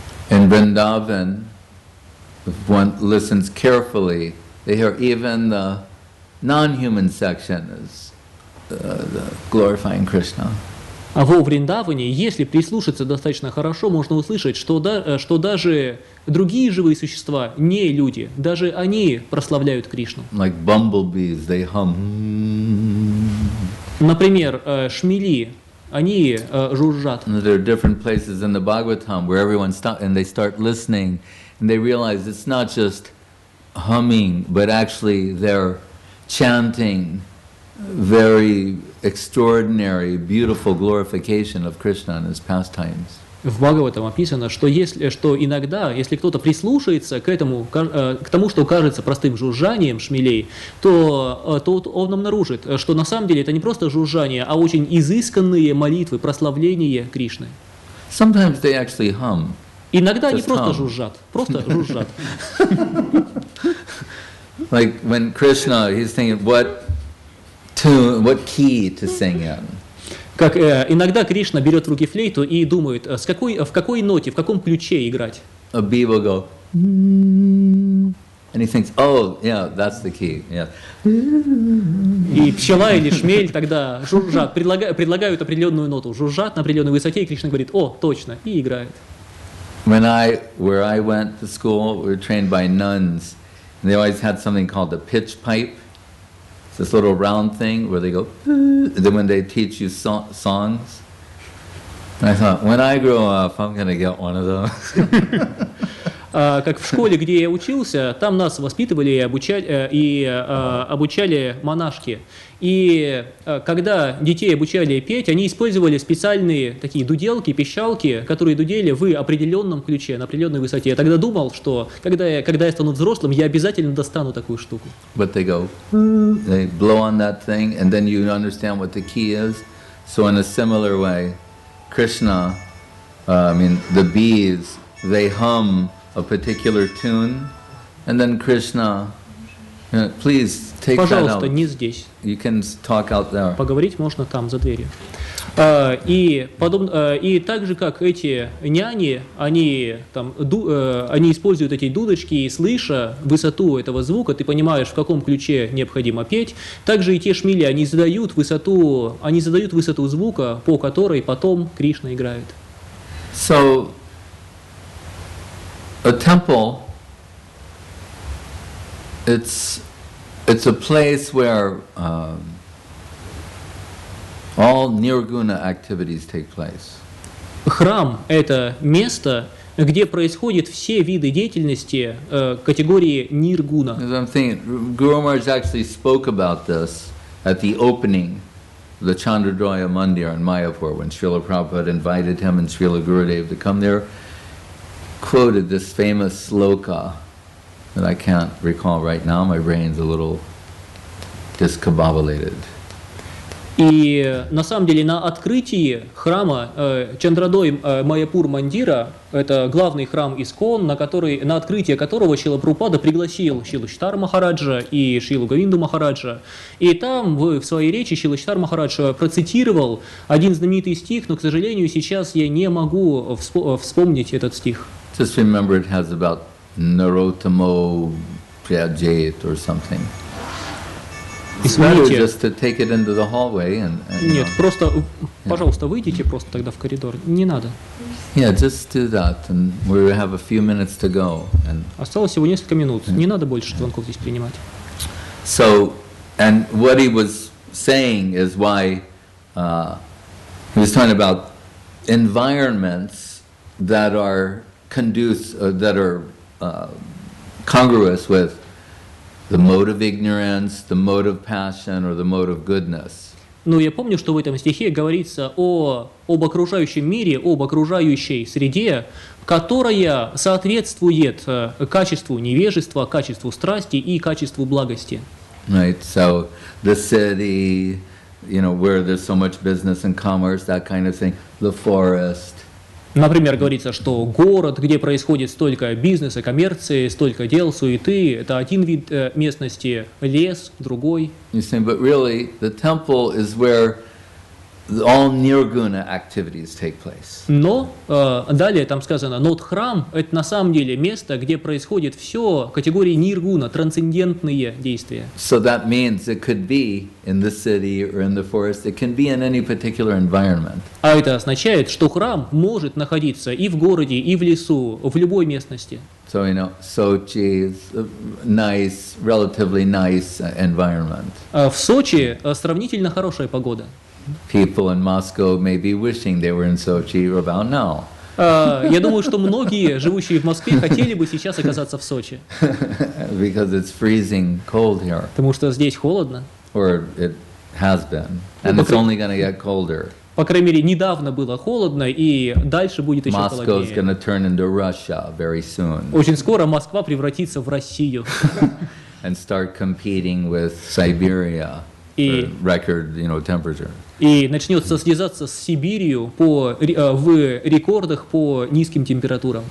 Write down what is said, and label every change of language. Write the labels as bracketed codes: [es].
[en] In Vrindavan, if one listens carefully, they hear even the non-human section is the glorifying Krishna. [ru] А во Вриндаване, если прислушаться достаточно хорошо, можно услышать, что даже другие живые существа, не люди, даже они прославляют Кришну. [en] Like bumblebees, they hum. [ru] Например, шмели, они жужжат. [en] And there are different places in the Bhagavatam where everyone stops and they start listening, and they realize it's not just humming, but actually they're chanting very extraordinary, beautiful glorification of Krishna and his pastimes. [ru] В Бхагаватам описано, что иногда, если кто-то прислушается к тому, что кажется простым жужжанием шмелей, то он обнаружит, что на самом деле это не просто жужжание, а очень изысканные молитвы, прославление Кришны. [en] Sometimes they actually hum. [ru] Иногда они просто жужжат. Просто жужжат. [en] Like when Krishna, he's thinking, what key to sing in? [ru] Как иногда Кришна берет в руки флейту и думает, в какой ноте, в каком ключе играть? [en] A bee will go. And he thinks, that's the key. Yeah. [ru] И пчела или шмель тогда жужжат, предлагают определенную ноту, жужжат на определенной высоте, и Кришна говорит, о, точно, и играет. [en] Where I went to school, we were trained by nuns. They always had something called a pitch pipe. this little round thing where they go, then when they teach you songs. And I thought, when I grow up, I'm going to get one of those. [ru] Как в школе, где я учился, там нас воспитывали и обучали монашки. И когда детей обучали петь, они использовали специальные такие дуделки, пищалки, которые дудели в определенном ключе, на определенной высоте. Я тогда думал, что когда я стану взрослым, я обязательно достану такую штуку. [en] But they go, they blow on that thing, and then you understand what the key is. So in a similar way, Krishna, the bees, they hum a particular tune, and then Krishna, please take that out. [ru] Пожалуйста, не здесь. [en] You can talk out there. [ru] Поговорить можно там за дверью. И подобно, и так же, как эти няни, они там, они используют эти дудочки, и слыша высоту этого звука, ты понимаешь, в каком ключе необходимо петь. Также и те шмели, они задают высоту звука, по которой потом Кришна играет. [en] So. A temple, it's a place where all nirguna activities take place. [ru] Храм – это место, где происходят все виды деятельности категории ниргуна. [en] As I'm thinking, Guru Maharaj actually spoke about this at the opening of the Chandradraya Mandir in Mayapur when Srila Prabhupada invited him and Srila Gurudev to come there. Quoted this famous sloka that I can't recall right now. My brain's a little discombobulated. [ru] И на самом деле на открытии храма Чандрадой Майяпур Мандира, это главный храм ИСКОН, на открытие которого Шрила Прабхупада пригласил Шрилу Читар Махараджа и Шрилу Говинду Махараджа. И там в своей речи Шрила Читар Махараджа процитировал один знаменитый стих, но, к сожалению, сейчас я не могу вспомнить этот стих. [en] Just remember it has about Narottamo Pyajet or something. It's better just to take it into the hallway and [ru] Нет, просто, yeah. Пожалуйста, выйдите просто тогда в коридор. Не надо. [en] Yeah, just do that and we have a few minutes to go. And [ru] осталось всего несколько минут. Не надо больше звонков здесь принимать. [en] So, and what he was saying is why he was talking about environments that are congruous with the mode of ignorance, the mode of passion, or the mode of goodness. [ru] Ну, я помню, что в этом стихе говорится об окружающем мире, об окружающей среде, которая соответствует качеству невежества, качеству страсти и качеству благости. [en] Right. So the city, you know, where there's so much business and commerce, that kind of thing. The forest. [ru] Например, говорится, что город, где происходит столько бизнеса, коммерции, столько дел, суеты, это один вид местности, лес, другой. [en] You see, but really, the temple is where all nirguna activities take place. [ru] Но, далее там сказано, но храм – это на самом деле место, где происходит все категории ниргуна, трансцендентные действия. [en] So that means it could be in the city or in the forest, it can be in any particular environment. [ru] А это означает, что храм может находиться и в городе, и в лесу, в любой местности. [en] So, you know, Sochi is a nice, relatively nice environment. [ru] В Сочи сравнительно хорошая погода. [en] People in Moscow may be wishing they were in Sochi about now. [ru] Я думаю, что многие, живущие в Москве, хотели бы сейчас оказаться в Сочи. [en] Because it's freezing cold here. [ru] Потому что здесь холодно. [en] Or it has been, and it's only going to get colder. [ru] По крайней мере, недавно было холодно, и дальше будет еще холоднее. [en] Moscow is going to turn into Russia very soon. [ru] Очень скоро Москва превратится в Россию. [en] And start competing with Siberia. [ru] И, [en] record, you know, temperature. [ru] И начнется связаться с Сибирью в рекордах по низким температурам.